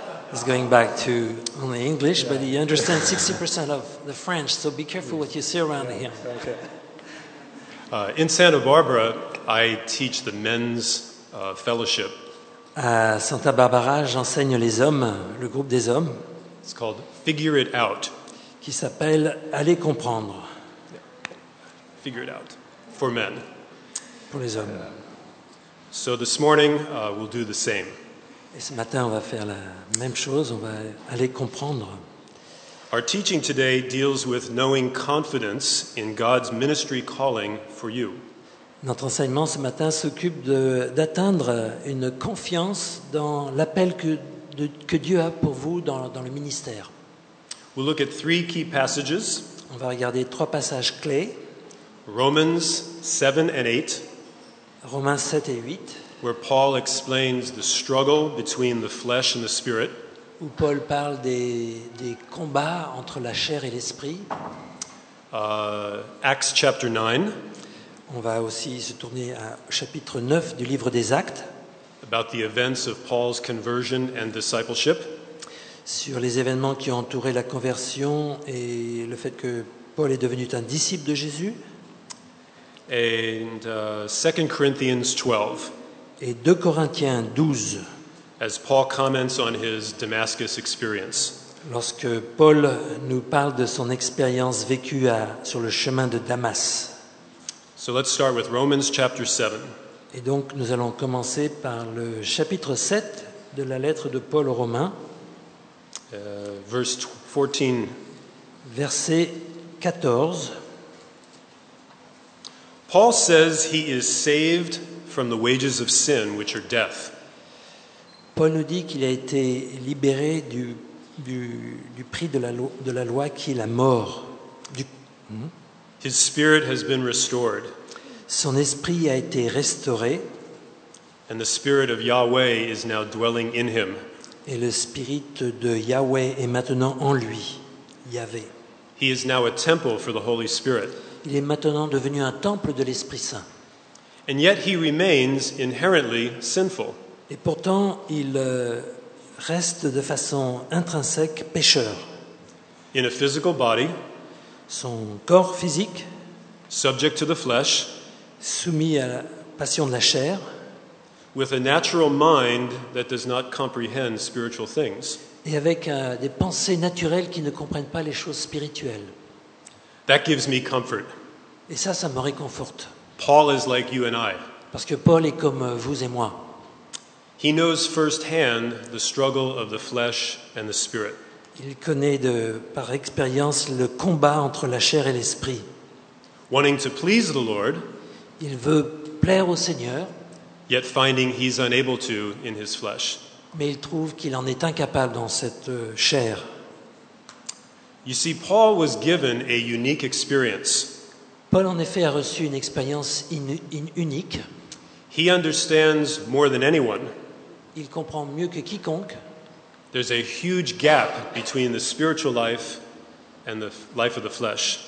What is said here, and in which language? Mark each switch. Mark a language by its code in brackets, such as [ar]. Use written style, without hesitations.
[en] He's going back to only English, yeah. But he understands 60% of the French. So be careful what you say around here. Okay. In Santa Barbara, I teach the men's fellowship. [fr] À Santa Barbara, j'enseigne les hommes, le groupe des hommes. [en] It's called Figure It Out. [fr] Qui s'appelle Aller comprendre. [en] Yeah. Figure It Out. For men. [fr] Pour les hommes. [en] So this morning, we'll do the same. [fr] Et ce matin, on va faire la même chose. On va aller comprendre. [en] Our teaching today deals with knowing confidence in God's ministry calling for you. [fr] Notre enseignement ce matin s'occupe d'atteindre une confiance dans l'appel que Dieu a pour vous dans le ministère. [en] We'll look at three key passages. [fr] On va regarder trois passages clés. [en] Romans 7 and 8. [fr] Romains 7 et 8, [en] where Paul explains the struggle between the flesh and the spirit. [fr] Où Paul parle des combats entre la chair et l'esprit. [en] Acts chapter 9. [fr] On va aussi se tourner à chapitre 9 du livre des Actes. [en] About the events of Paul's conversion and discipleship. [fr] Sur les événements qui ont entouré la conversion et le fait que Paul est devenu un disciple de Jésus. [en] And 2 Corinthians 12. [fr] Et 2 Corinthiens 12. [en] As Paul comments on his Damascus experience. [fr] Lorsque Paul nous parle de son expérience vécue sur le chemin de Damas. [en] So let's start with Romans chapter 7. [fr] Et donc nous allons commencer par le chapitre 7 de la lettre de Paul aux Romains. [en] Verse 14. [fr] Verset 14. [en] Paul says he is saved from the wages of sin, which are death. [fr] Paul nous dit qu'il a été libéré du prix de la loi qui est la mort. [en] His spirit has been restored. [fr] Son esprit a été restauré. [en] And the spirit of Yahweh is now dwelling in him. [fr] Et le [en] spirit [fr] de Yahweh est maintenant en lui. [en] Yahweh. He is now a temple for the Holy Spirit. [fr] Il est maintenant devenu un temple de l'Esprit Saint. [en] And yet he remains inherently sinful. [fr] Et pourtant, il reste de façon intrinsèque pécheur. [en] In a physical body, [fr] son corps physique, [en] subject to the flesh, [fr] soumis à la passion de la chair, [en] with a natural mind that does not comprehend spiritual things. [fr] Et avec des pensées naturelles qui ne comprennent pas les choses spirituelles. [en] That gives me comfort. [fr] Et ça me réconforte. [en] Paul is like you and I. [fr] Parce que Paul est comme vous et moi. [en] He knows firsthand the struggle of the flesh and the spirit. [fr] Il connaît par expérience le combat entre la chair et l'esprit. [en] Wanting to please the Lord, [fr] il veut plaire au Seigneur, [en] yet finding he's unable to in his flesh. [fr] Mais il trouve qu'il en est incapable dans cette chair. [en] You see, Paul was given a unique experience. [fr] Paul en effet a reçu une expérience unique. [en] He understands more than anyone. [fr] Il comprend mieux que quiconque. [en] There's a huge gap between the spiritual life and the life of the flesh.